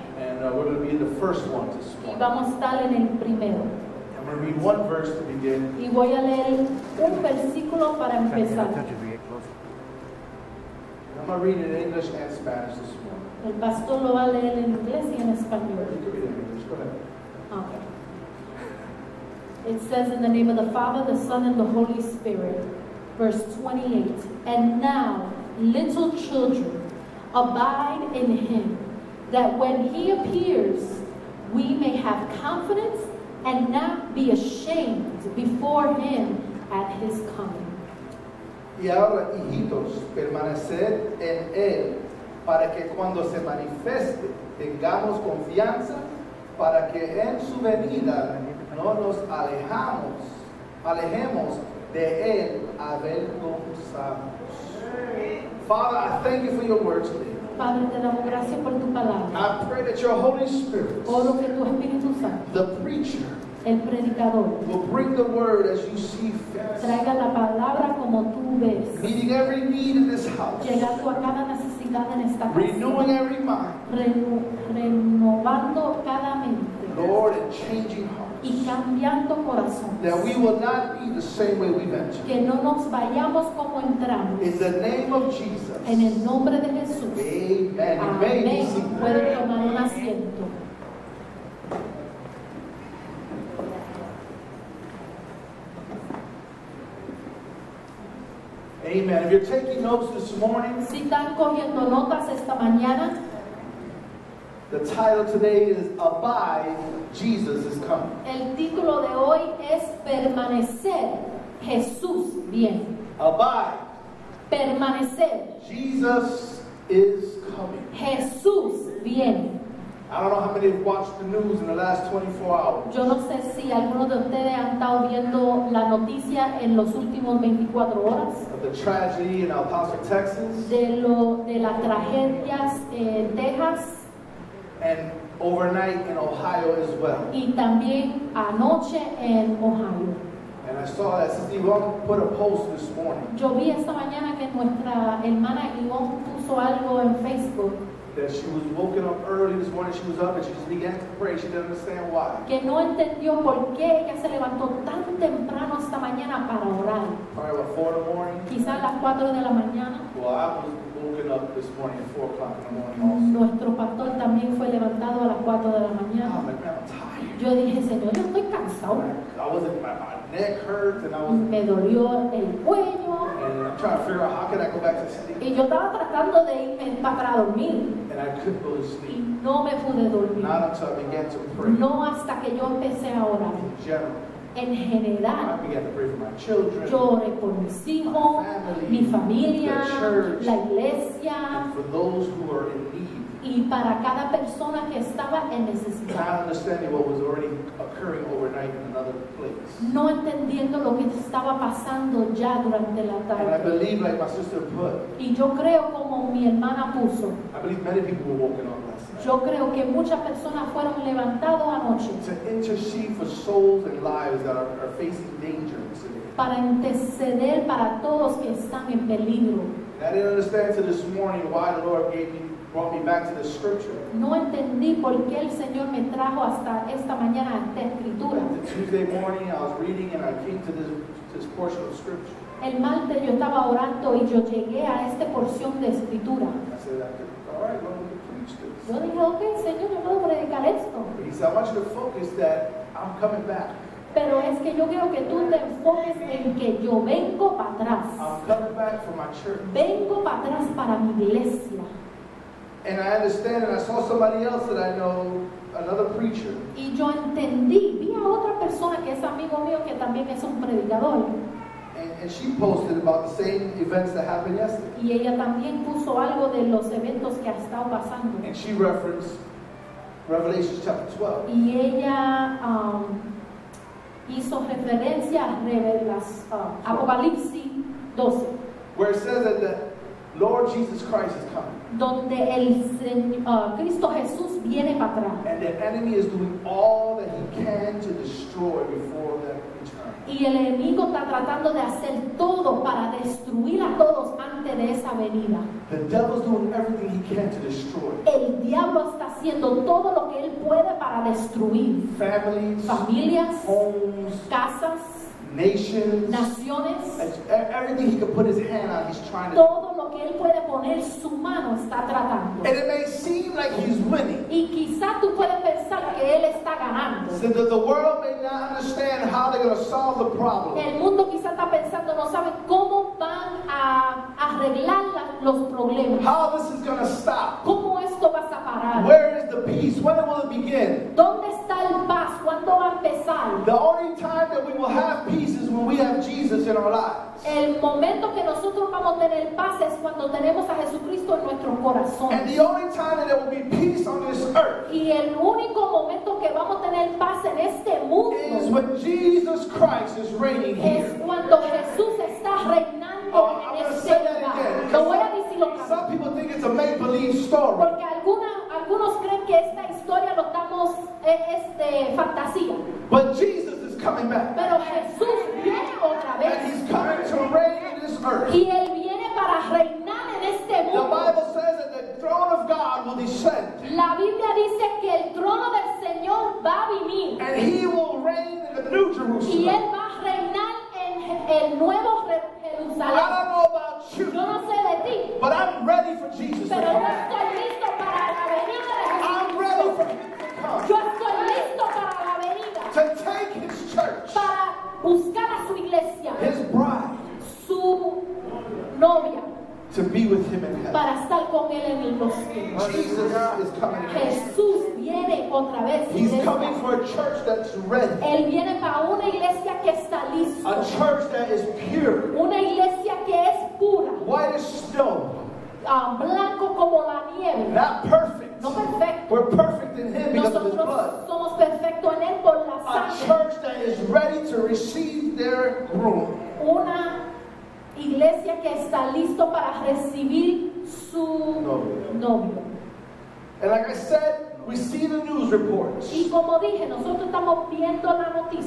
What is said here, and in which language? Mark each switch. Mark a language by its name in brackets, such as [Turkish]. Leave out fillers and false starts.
[English] And we're going to be in the first one this morning. [Spanish] Y vamos a estar en el primero. [English] I'm going to read one verse to begin. [Spanish] Y voy a leer un versículo para empezar. [English] I'm going to read in English and Spanish this morning. [Spanish] El pastor lo va a leer en inglés y en español. [English] You can read in English. Go ahead. Okay. It says, in the name of the Father, the Son, and the Holy Spirit. Verse 28. And now, little children, abide in him, that when he appears, we may have confidence and not be ashamed before him at his coming. [Spanish] Y ahora, hijitos, permaneced en él, para que cuando se manifieste, tengamos confianza, para que en su venida no nos alejemos de él avergonzados. [English] Father, I thank you for your word today. [Spanish] Padre, te damos gracias por tu palabra. [English] I pray that your Holy Spirit, [Spanish] oro que tu Espíritu Santo, [English] the preacher, [Spanish] el predicador, [English] will bring the word as you see fit. [Spanish] Traiga la palabra como tú ves. [English] Meeting every need in this house. [Spanish] Llegando a cada necesidad en esta casa. [English] Renewing every mind. [Spanish] Renovando cada mente. [English] Lord, and changing hearts. [Spanish] Y cambiando corazones. [English] That we will not be the same way we've entered. [Spanish] Que no nos vayamos como entramos. [English] In the name of Jesus. [Spanish] En el nombre de Jesús. [English] Amen. [Spanish] Amén. Puede tomar un asiento. [English] Amen. If you're taking notes this morning, [Spanish] si están cogiendo notas esta mañana, [English] the title today is Abide, Jesus is coming. [Spanish] El título de hoy es Permanecer, Jesús viene. [English] Abide. [Spanish] Permanecer. [English] Jesus is coming. [Spanish] Jesús viene. [English] I don't know how many have watched the news in the last 24 hours. [Spanish] Yo no sé si algunos de ustedes han estado viendo la noticia en los últimos 24 horas. [English] Of the tragedy in El Paso, Texas. [Spanish] De las tragedias en Texas. [English] And overnight in Ohio as well. [Spanish] Y también anoche en Ohio. [English] And I saw that Sister Yvonne put a post this morning. [Spanish] Yo vi esta mañana que nuestra hermana Yvonne puso algo en Facebook. [English] That she was woken up early this morning. She was up and she just began to pray. She didn't understand why. [Spanish] Que no entendió por qué ella se levantó tan temprano esta mañana para orar. [English] Probably about 4 in the morning. [Spanish] Quizás las 4 de la mañana. [English] Well, I was woken up this morning at 4 o'clock in the morning also. [Spanish] Nuestro pastor también fue levantado a las 4 de la mañana. [English] I'm like, man, I'm tired. [Spanish] Yo dije, Señor, yo estoy cansado. [English] I was in my neck hurts and I was. [Spanish] Me dolió el cuello. [English] And I'm trying to figure out how can I go back to sleep. [Spanish] Y yo estaba tratando de irme para dormir. [English] And I couldn't go to sleep. [Spanish] Y no me pude dormir. [English] Not until I began to pray. [Spanish] No hasta que yo empecé a orar. [English] In general. [Spanish] En general. [English] I began to pray for my children. [Spanish] Yo oré por mis hijos, [English] my family, [Spanish] mi familia, [English] the church, [Spanish] la iglesia. [English] And for those who are in need. [Spanish] Y para cada persona que estaba en necesidad. [English] Not understanding what was already occurring overnight in another place. [Spanish] No entendiendo lo que estaba pasando ya durante la tarde. [English] And I believe, like my sister put. [Spanish] Y yo creo como mi hermana puso. [English] I believe many people were woken up last night. [Spanish] Yo creo que muchas personas fueron levantados anoche. [English] To intercede for souls and lives that are facing danger today. [Spanish] Para interceder para todos que están en peligro. [English] I didn't understand until this morning why the Lord brought me back to the scripture. [Spanish] No entendí por qué el Señor me trajo hasta esta mañana a esta escritura. [English] The Tuesday morning I was reading and I came to this portion of scripture. [Spanish] El martes yo estaba orando y yo llegué a esta porción de escritura. [English] I said, all right, Lord, we can preach this. [Spanish] Yo dije, okay, Señor, me puedo predicar esto. [English] He said, I want you to focus that I'm coming back. [Spanish] Pero es que yo quiero que tú te enfoques en que yo vengo para atrás. [English] I'm coming back for my church. [Spanish] Vengo para atrás para mi iglesia. [English] And I understand, and I saw somebody else that I know, another preacher. [Spanish] Y yo entendí, vi a otra persona que es amigo mío que también es un predicador. [English] And she posted about the same events that happened yesterday. [Spanish] Y ella también puso algo de los eventos que ha estado pasando. [English] And she referenced Revelation chapter 12. [Spanish] Y ella hizo referencia a Apocalipsis 12. [English] Where it says that the Lord Jesus Christ is coming. [Spanish] Donde el Cristo Jesús viene para atrás. [English] And the enemy is doing all that he can to destroy before that return. [Spanish] Y el enemigo está tratando de hacer todo para destruir a todos antes de esa venida. [English] The devil's doing everything he can to destroy. [Spanish] El diablo está haciendo todo lo que él puede para destruir. [English] Families, [Spanish] familias, [English] homes, [Spanish] casas, [English] nations, [Spanish] naciones, [English] everything he can put his hand on, he's trying to. [Spanish] Todo lo que él puede poner su mano está tratando. [English] And it may seem like he's winning. [Spanish] Y quizá tú puedes pensar que él está ganando. [English] So that the world may not understand how they're going to solve the problem. [Spanish] El mundo quizá está pensando, no sabe cómo van a arreglar los problemas. [English] How this is going to stop. [Spanish] ¿Cómo esto va a parar? [English] Where is the peace? When will it begin? [Spanish] ¿Dónde está el paz? ¿Cuándo va a empezar? [English] The only time that we will have peace is when we have Jesus in our lives. [Spanish] El momento que nosotros vamos a tener paz es cuando tenemos a Jesucristo en nuestro corazón. [English] And the only time that there will be peace on this earth. [Spanish] Y el único momento que vamos a tener paz en este mundo [English] is when Jesus Christ is reigning here. [Spanish] Es cuando Jesús está reinando en este lugar. Lo voy a decir lo que pasa. [English] Some people think it's a make-believe story. [Spanish] Porque algunos creen que esta historia lo estamos fantasía. [English] But Jesus coming back. [Spanish] Pero Jesús viene otra vez. [English] And he's coming to reign in this earth. [Spanish] Y él viene para reinar en este mundo. [English] The Bible says that the throne of God will descend. [Spanish] La Biblia dice que el trono del Señor va a venir. [English] And he will reign in the new Jerusalem. [Spanish] Y él va a reinar en el nuevo Jerusalén. [English] I don't know about you. [Spanish] Yo no sé de ti. [English] But I'm ready for Jesus [Spanish] pero [English] to come. [Spanish] Yo estoy listo para la venida de Jesús. [English] I'm ready for him to come. [Spanish] Yo estoy listo para la venida. [English] To take his church, [Spanish] para buscar a su iglesia, [English] his bride, [Spanish] su novia, [English] to be with him in heaven, [Spanish] para estar con él en el [English] Jesus is coming again. [Spanish] Jesús viene otra vez. [English] He's coming for a church that's ready. [Spanish] Él viene para una iglesia que está lista. [English] A church that is pure. [Spanish] Una iglesia que es pura. [English] White as snow. [Spanish] Blanco como la nieve. [English] Not perfect. [Spanish] No perfecto. [English] We're perfect in him because [Spanish] nosotros [English] of his blood. [Spanish] Somos perfecto en él por la sangre. [English] A church that is ready to receive their groom. [Spanish] Una iglesia que está listo para recibir su novio. [English] And like I said, we see the news reports. [Spanish] Y como dije, nosotros estamos viendo la noticia.